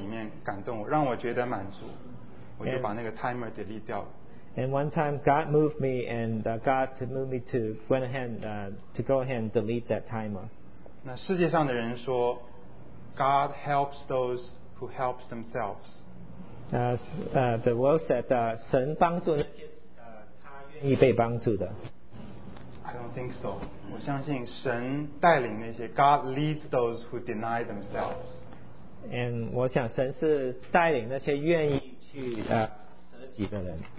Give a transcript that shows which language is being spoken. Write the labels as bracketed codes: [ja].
[zh] 到有一次，我想主的爱在我里面感动，让我觉得满足，我就把那个 timer delete 掉了。And [en] one time God moved me, and God to move me to go ahead and delete that timer. [zh] 那世界上的人说， [en] God helps those who help themselves. The world said, [zh] 神帮助那些他愿意被帮助的。 [en] I don't think so. [zh] 我相信神带领那些, [en] God leads those who deny themselves. [zh] And 我想神是带领那些愿意去, 舍己的人。